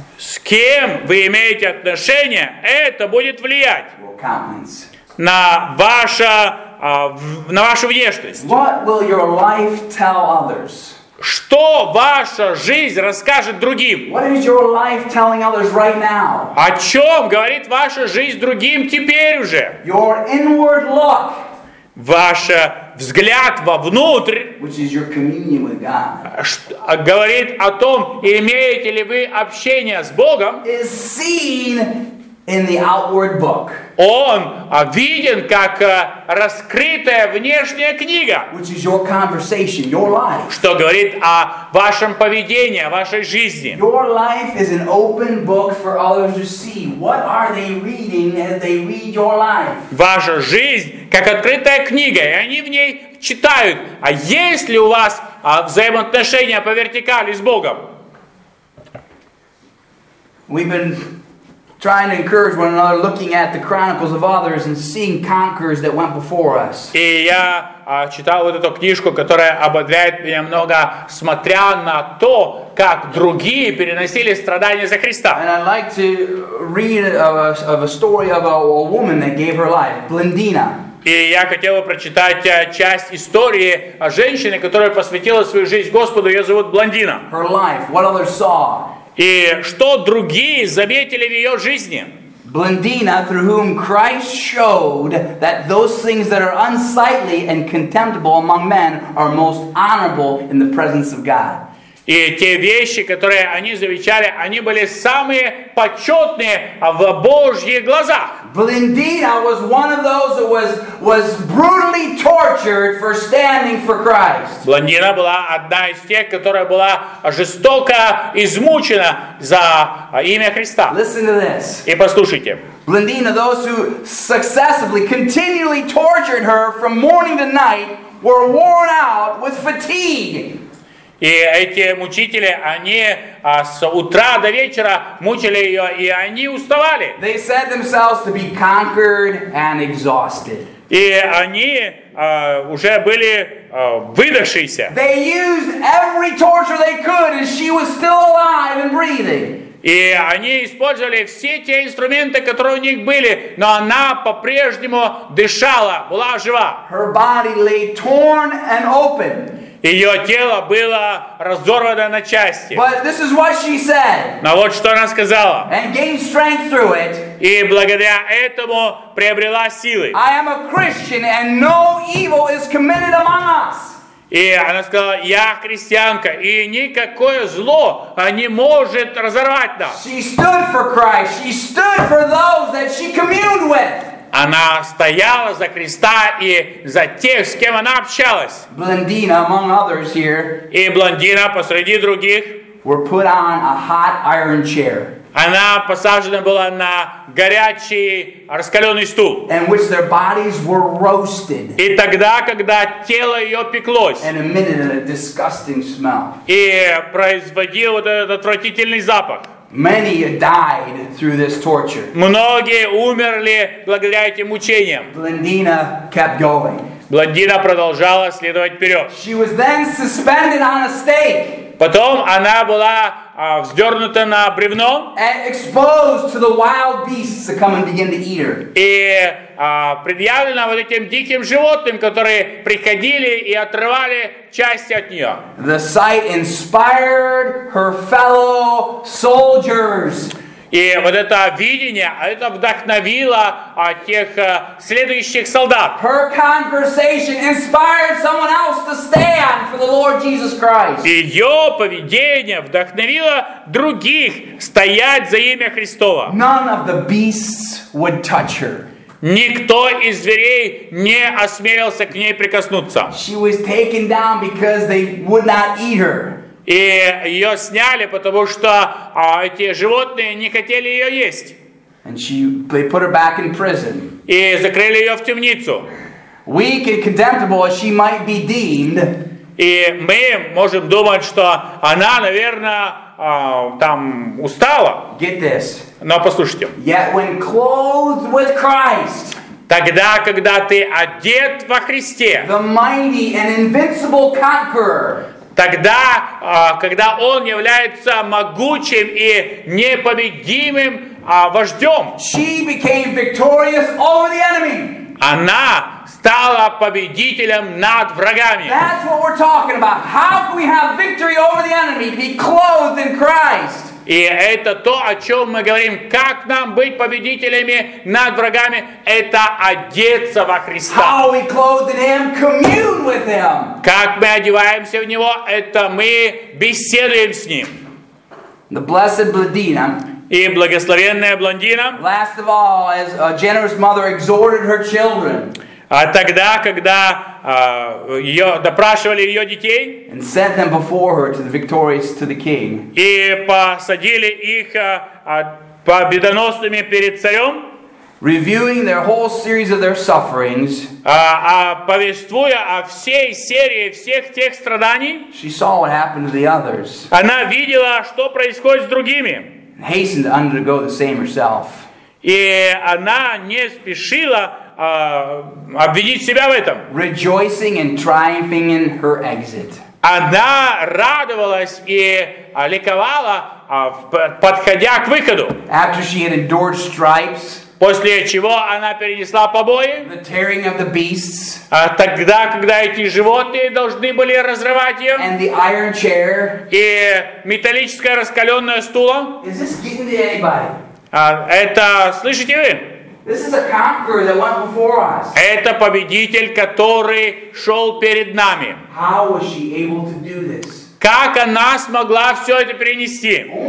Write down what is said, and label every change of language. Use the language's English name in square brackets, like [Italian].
[Russian] С кем вы имеете отношение, это будет влиять [English] will countenance. [Russian] На ваше на вашу внешность. [English] What will your life tell others? [Russian] Что ваша жизнь расскажет другим? [English] What is your life telling others right now? [Russian] О чем говорит ваша жизнь другим теперь уже? [English] Your inward look. [Russian] Ваш взгляд вовнутрь, [English] which is your communion with God, [Russian] говорит о том, имеете ли вы общение с Богом, [English] is seen in the outward book. [Russian] Он виден как раскрытая внешняя книга, [English] which is your conversation, your life. [Russian] Что говорит о вашем поведении, о вашей жизни. [English] Your life is an open book for others to see. What are they reading as they read your life? [Russian] Ваша жизнь как открытая книга, и они в ней читают. А есть ли у вас взаимоотношения по вертикали с Богом? [English] We've been trying to encourage one another, looking at the chronicles of others and seeing conquerors that went before us. [Russian] И я читал вот эту книжку, которая ободряет меня много, смотря на то, как другие переносили страдания за Христа. [English] And I'd like to read of a story about a woman that gave her life, Blandina. [Russian] И я хотел бы прочитать часть истории о женщине, которая посвятила свою жизнь Господу. Ее зовут Блондина. [English] Her life, what others saw. [Russian] И что другие заметили в ее жизни? [English] Blandina, through whom Christ showed that those things that are unsightly and contemptible among men are most honorable in the presence of God. [Russian] И те вещи, которые они замечали, они были самые почетные в Божьих глазах. [English] Blandina was one of those who was brutally tortured for standing for Christ. [Russian] Blandina была одна из тех, которая была жестоко измучена за имя Христа. [English] Listen to this. [Russian] И послушайте. [English] Blandina, those who successively, continually tortured her from morning to night, were worn out with fatigue. [Russian] И эти мучители, они с утра до вечера мучили ее, и они уставали. [English] They said themselves to be conquered and exhausted. [Russian] И они уже были выдохшиеся. [English] They used every torture they could, and she was still alive and breathing. [Russian] И они использовали все те инструменты, которые у них были, но она по-прежнему дышала, была жива. [English] Her body lay torn and open. [Russian] Ее тело было разорвано на части. [English] But this is what she said. [Russian] Но вот что она сказала. [English] And gained strength through it. [Russian] И благодаря этому приобрела силы. [English] I am a Christian and no evil is committed among us. [Russian] И она сказала, я христианка, и никакое зло не может разорвать нас. [English] She stood for Christ. She stood for those that she communed with. [Russian] Она стояла за Христа и за тех, с кем она общалась. [English] Blandina, among others here, [Russian] и Блондина посреди других [English] were put on a hot iron chair. [Russian] Она посажена была на горячий раскаленный стул. [English] And which their bodies were roasted. [Russian] И тогда, когда тело ее пеклось. [English] And emitted a disgusting smell. [Russian] И производил вот этот отвратительный запах. [English] Many died through this torture. [Russian] Многие умерли благодаря этим мучениям. [English] Blandina kept going. [Russian] Блондина продолжала следовать вперед. [English] She was then suspended on a stake. [Russian] Потом она была вздернута на бревно. [English] And exposed to the wild beasts to come and begin to eat her. [Russian] И предъявлена вот этим диким животным, которые приходили и отрывали части от нее. [English] The sight inspired her fellow soldiers. [Russian] И вот это видение, это вдохновило тех следующих солдат. [English] Her conversation inspired someone else to stand for the Lord Jesus Christ. [Russian] Ее поведение вдохновило других стоять за имя Христово. [English] None of the beasts would touch her. [Russian] Никто из зверей не осмелился к ней прикоснуться. [English] She was taken down because they would not eat her. [Russian] И ее сняли, потому что эти животные не хотели ее есть. [English] And they put her back in prison. [Russian] И закрыли ее в темницу. [English] Weak and contemptible as she might be deemed. [Russian] И мы можем думать, что она, наверное, там устала. [English] Get this. [Russian] Но послушайте. [English] Yet when clothed with Christ, [Russian] тогда, когда ты одет во Христе, [English] the mighty and invincible conqueror, [Russian] тогда, когда он является могучим и непобедимым вождем, [English] she became victorious over the enemy. [Russian] Она стала победителем над врагами. [English] That's what we're talking about. How can we have victory over the enemy to be clothed in Christ? [Russian] И это то, о чем мы говорим. Как нам быть победителями над врагами? Это одеться во Христа. [English] How we clothed in Him, commune with Him. [Russian] Как мы одеваемся в Него? Это мы беседуем с Ним. [English] The blessed Blandina. [Russian] И благословенная Блондина. [English] Last of all, as a generous mother exhorted her children. [Russian] А тогда, когда ее допрашивали ее детей, [English] and sent them before her to the victorious to the king, [Russian] и посадили их победоносными перед царем, [English] reviewing their whole series of their sufferings, [Russian] повествуя о всей серии всех тех страданий, [English] she saw what happened to the others. [Russian] Она видела, что происходит с другими. [English] hastened to undergo the same herself. [Russian] И она не спешила обвинить себя в этом. [English] Rejoicing and triumphing in her exit. [Russian] Она радовалась и ликовала, подходя к выходу. [English] After she had endured stripes. [Russian] После чего она перенесла побои. [English] The tearing of the beasts. [Russian] Тогда, когда эти животные должны были разрывать ее. [English] And the iron chair. [Russian] И металлическое раскаленное стуло. [English] Is this getting to anybody? [Russian] Это, слышите вы? [English] This is a conqueror that went before us. [Russian] Это победитель, который шел перед нами. [English] How was she able to do this? [Russian] Как она смогла все это перенести?